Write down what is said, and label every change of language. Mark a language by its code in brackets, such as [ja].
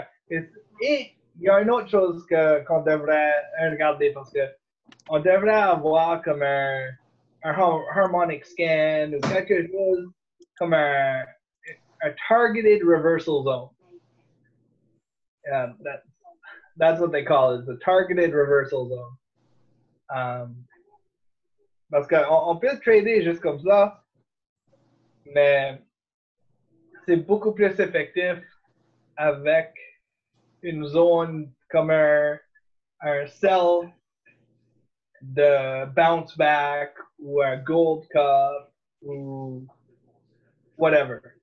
[fr] Et il y a une autre chose qu'on devrait regarder parce que on devrait avoir comme un harmonic scan ou quelque chose comme un targeted reversal zone. [en] That's what they call it, the targeted reversal zone. [fr] Parce qu'on peut trader juste comme ça, mais c'est beaucoup plus effectif avec une zone comme un sell de bounce back ou un gold cup ou whatever.